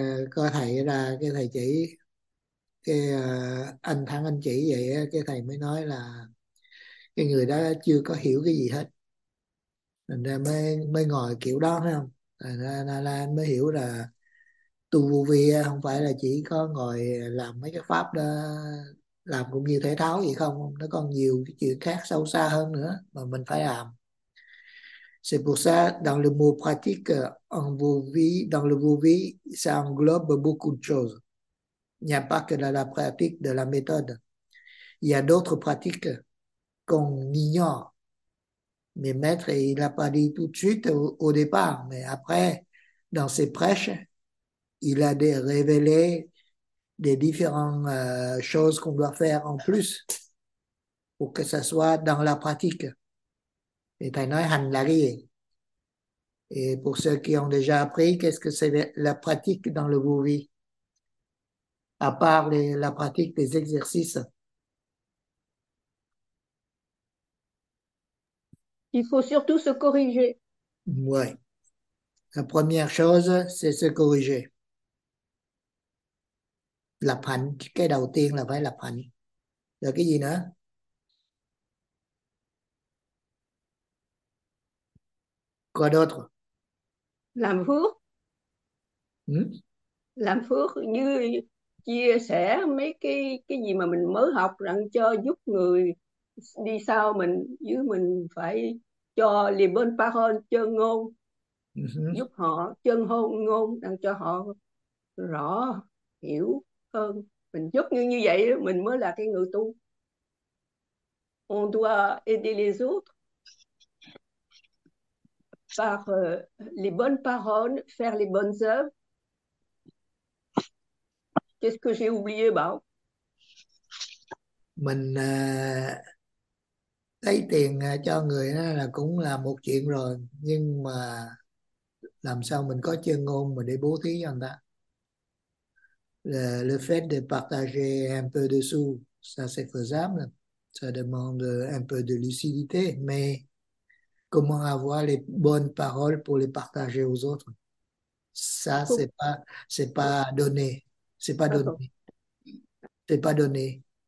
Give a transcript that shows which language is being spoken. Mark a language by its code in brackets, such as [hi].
[vi] có thầy ra cái thầy chỉ, cái anh Thắng anh chỉ vậy cái thầy mới nói là cái người đó chưa có hiểu cái gì hết, thành ra mới mới ngồi kiểu đó, phải không? Thành ra anh mới hiểu là tu vô vi không phải là chỉ có ngồi làm mấy cái pháp đó, làm cũng như thể tháo gì không, nó còn nhiều cái chuyện khác sâu xa hơn nữa mà mình phải làm. [fr] C'est pour ça, dans le mot pratique, en vos vies, dans le vos vies, ça englobe beaucoup de choses. N'y a pas que dans la pratique de la méthode. Il y a d'autres pratiques qu'on ignore. Mais maître, il n'a pas dit tout de suite au départ, mais après, dans ses prêches, il a révélé des différentes choses qu'on doit faire en plus pour que ça soit dans la pratique. Et t'as [vi] nói hành là cái gì? [fr] Et pour ceux qui ont déjà appris, qu'est-ce que c'est la pratique dans le vô-vi? À part la pratique des exercices. Il faut surtout se corriger. Ouais. La première chose, c'est se corriger. [vi] Lập hạnh, cái đầu tiên là phải lập hạnh. Rồi cái gì nữa? [fr] Quoi d'autre? [vi] Làm phước. Làm phước như chia sẻ mấy cái gì mà mình mới học rằng cho giúp người đi sau mình, chứ mình phải cho liền bên ba hơn chân ngôn, giúp họ chân hôn ngôn đang cho họ rõ hiểu hơn, mình giúp như vậy đó, mình mới là cái người tu. [fr] On doit aider les autres par les bonnes paroles, faire les bonnes œuvres. Qu'est-ce que j'ai oublié, Bảo? [vi] Mình lấy tiền cho người đó là cũng là một chuyện rồi, nhưng mà làm sao mình có chuyên ngôn mà để bố thí cho người ta. [fr] Le fait de partager un peu de sous, ça c'est faisable. Ça demande un peu de lucidité. Mais comment avoir les bonnes paroles pour les partager aux autres? Ça, c'est pas donné. C'est pas donné. C'est pas donné.